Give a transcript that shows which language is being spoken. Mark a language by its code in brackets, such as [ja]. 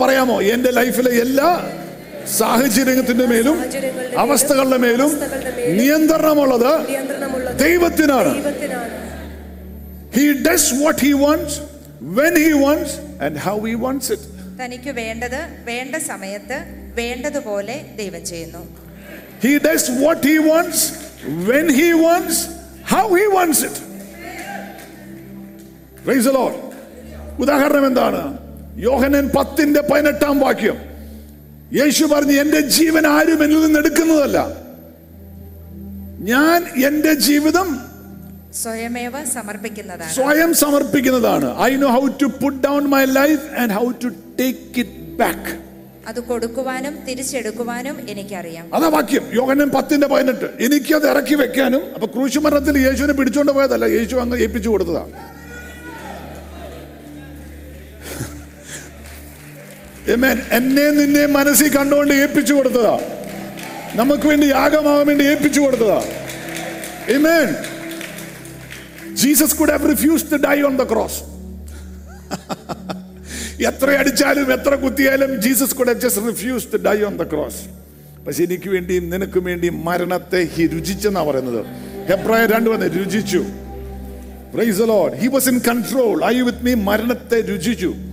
[ml] പറയാമോ, എന്റെ ലൈഫിലെ എല്ലാ സാഹചര്യത്തിന്റെ മേലും അവസ്ഥകളുടെ മേലും നിയന്ത്രണമുള്ളത് ദൈവത്തിനാണ്. [en] He does what he wants, when he wants, and how he wants it. [ml] തനിക്ക് വേണ്ടത് വേണ്ട സമയത്ത് വേണ്ടതുപോലെ ദൈവം ചെയ്യുന്നു. [en] He does what he wants, when he wants, how he wants it. Praise the Lord. [ml] ഉദാഹരണം എന്താണ്? യോഹന്നാൻ 10:18 വാക്യം. യേശു പറഞ്ഞു, എന്റെ ജീവൻ ആരും എന്നിൽ നിന്ന് എടുക്കുന്നതല്ല, ഞാൻ എന്റെ ജീവിതം സ്വയമേവ സമർപ്പിക്കുന്നതാണ്, സ്വയം സമർപ്പിക്കുന്നതാണ്. [en] I know how to put down my life and how to take it back. [ml] അത് കൊടുക്കുവാനും തിരിച്ചെടുക്കുവാനും എനിക്കറിയാം. അതാ വാക്യം, യോഹന്നാൻ 10:18. എനിക്ക് അത് ഇറക്കി വെക്കാനും, അപ്പൊ ക്രൂശുമരണത്തിൽ യേശുവിനെ പിടിച്ചോണ്ട് പോയതല്ല, യേശു അങ്ങ് ഏൽപ്പിച്ചു കൊടുത്തതാ. Amen. എന്നെ നിന്നെ മനസ്സിൽ കണ്ടുകൊണ്ട് ഏൽപ്പിച്ചു കൊടുത്തതാ, നമുക്ക് വേണ്ടി യാഗമാകാൻ വേണ്ടി ഏൽപ്പിച്ചു കൊടുത്തതാ. Amen. [en] Jesus could have refused to die on the cross. [ml] എത്ര അടിച്ചാലും എത്ര കുത്തിയാലും ജീസസ് കൂടെ [en] Just refuse to die on the cross. [ml] പക്ഷെ എനിക്ക് വേണ്ടിയും നിനക്കും വേണ്ടിയും മരണത്തെ ഹി രുചിച്ചെന്നാ പറയുന്നത്. ഹെബ്രായ 2:1, രുചിച്ചു. [en] Praise the Lord. He was in control. Are you with me? [ml] മരണത്തെ രുചിച്ചു.